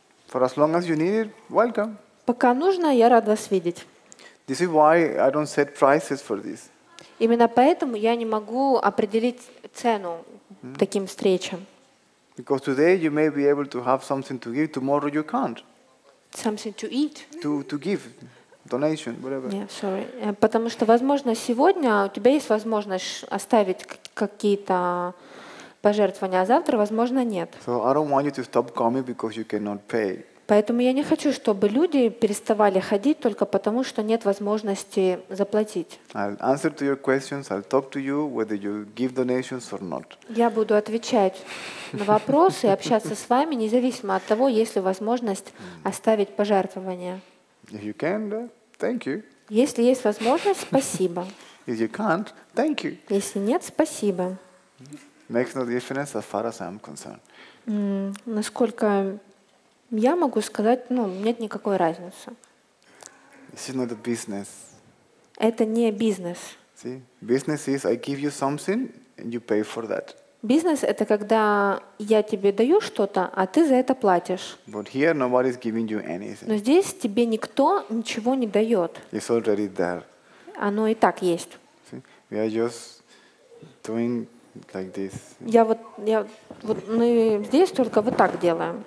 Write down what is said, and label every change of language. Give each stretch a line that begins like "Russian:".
English: For as long as you need it, welcome.
Russian: Пока нужно, я рад вас видеть.
English: This is why I don't set prices for this.
Russian: Именно поэтому я не могу определить цену таким встречам.
English: Because today you may be able to have something to give, tomorrow you can't. Something to eat. To give, donation, whatever. Yeah, sorry.
Russian: Потому что, возможно, сегодня у тебя есть возможность оставить какие-то пожертвования, а завтра, возможно, нет.
English: So I don't want you to stop coming because you cannot pay.
Russian: Поэтому я не хочу, чтобы люди переставали ходить только потому, что нет возможности заплатить. Я буду отвечать на вопросы и общаться с вами, независимо от того, есть ли возможность оставить пожертвование.
English: If you can, thank you.
Russian: Если есть возможность, спасибо.
English: If you can't, thank you.
Russian: Если нет, спасибо.
English: Makes no difference as far as I'm concerned.
Russian: Насколько... Я могу сказать, ну, нет никакой разницы.
English: This is not a business.
Russian: Это не бизнес.
English: See? Business is I give you something and you pay for that.
Russian: Бизнес это когда я тебе даю что-то, а ты за это платишь.
English: But here nobody's giving you anything.
Russian: Но здесь тебе никто ничего не дает.
English: It's already there.
Russian: Оно и так есть.
English: See? We are just doing like this.
Russian: Я вот мы здесь только вот так делаем.